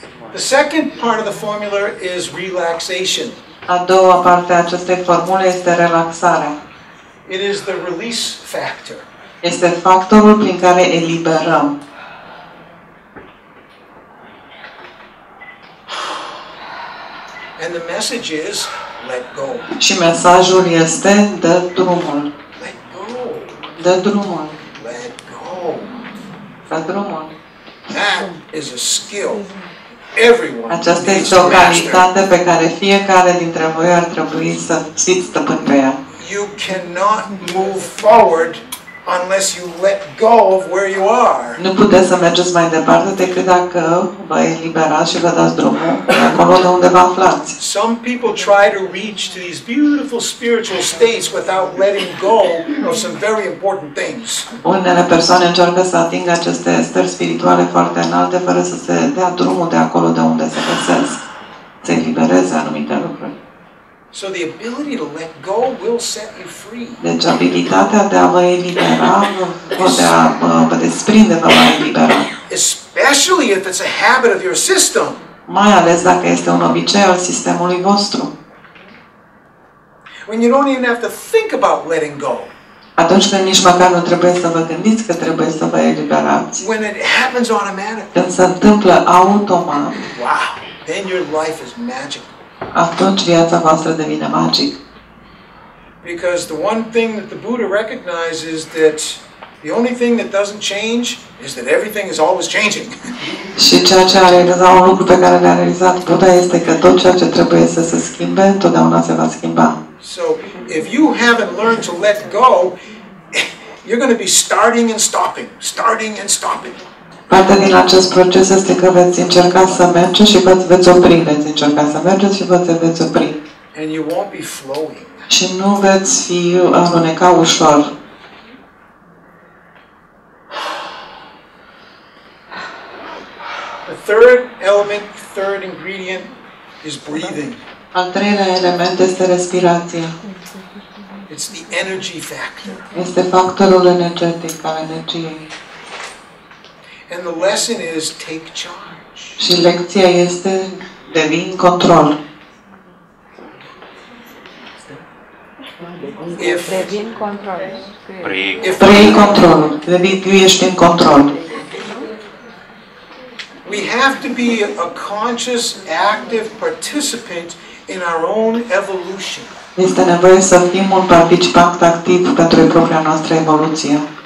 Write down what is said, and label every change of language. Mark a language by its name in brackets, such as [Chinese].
[English] The second part of the formula is relaxation. [Romanian] A doua parte a acestei formule este relaxarea. [English] It is the release factor. [Romanian] Este factorul prin care eliberăm. [English] And the message is let go. [Romanian] Și mesajul este dă drumul. [English] Let go. [Romanian] Dă drumul. [English] Let go. [Romanian] Dă drumul. [English] That is a skill. Everyone. [Romanian] Aceasta este o calitate pe care fiecare dintre voi ar trebui să fiți stăpâni pe ea. [English] You cannot move forward unless you let go of where you are. [Romanian] Nu puteți să mergeți mai departe decât dacă vă eliberați și vă dați drumul acolo de unde vă aflați. [English] Some people try to reach to these beautiful spiritual states without letting go of some very important things. [Romanian] Unele persoane încearcă să atingă aceste stări spirituale foarte înalte fără să se dea drumul de acolo de unde se găsesc. Se elibereze anumite lucruri. [English] So the ability to let go will set you free. [Romanian] Deci abilitatea de a vă elibera vă desprinde, vă va elibera. [English] Especially if it's a habit of your system. [Romanian] Mai ales dacă este un obicei al sistemului vostru. [English] When you don't even have to think about letting go. [Romanian] Atunci când nici măcar nu trebuie să vă gândiți că trebuie să vă eliberați. [English] When it happens automatically. [Romanian] Când se întâmplă automat. [English] Wow. Then your life is magical. [Romanian] Atunci viața voastră devine magic. [English] Because the one thing that the Buddha recognizes that the only thing that doesn't change is that everything is always changing. [Romanian] Și ceea ce a realizat, un lucru pe care l-a realizat Buddha, este că tot ceea ce trebuie să se schimbe, totdeauna se va schimba. [English] So if you haven't learned to let go, you're going to be starting and stopping, starting and stopping. [Romanian] Partea din acest proces este că veți încerca să mergeți și vă veți opri. Veți încerca să mergeți și vă veți opri. [English] And you won't be flowing. [Romanian] Și nu veți fi aluneca ușor. [English] The third element, third ingredient is breathing. [Romanian] Al treilea element este respirația. [English] It's the energy factor. [Romanian] Este factorul energetic al energiei. [English] And the lesson is take charge. [Romanian] Și lecția este devin control. Devin control. Devin control. Devin, tu ești în control. [English] We have to be a conscious, active participant in our own evolution. [Romanian] Este nevoie să fim un participant activ pentru propria noastră evoluție.